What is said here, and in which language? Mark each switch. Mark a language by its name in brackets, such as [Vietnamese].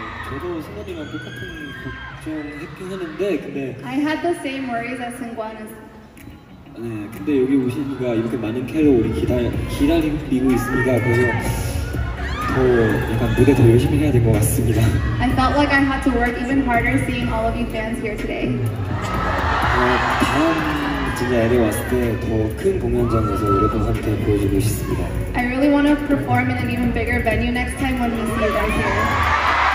[Korean] 저도 승관이랑 똑같은 걱정 했긴 했는데 근데 [English] I had the same worries as 승관 as [Korean] 네, 근데 여기 오시니까 이렇게 많은 캐럿 기다리고 있으니까 그래서 더 약간 무대 더 열심히 해야 될 것 같습니다. [English] I felt like I had to work even harder seeing all of you fans here today. [Korean] 다음 진짜 LA 왔을 때 더 큰 공연장에서 여러분한테 보여주고 싶습니다. [English] I really want to perform in an even bigger venue next time when we see you guys here.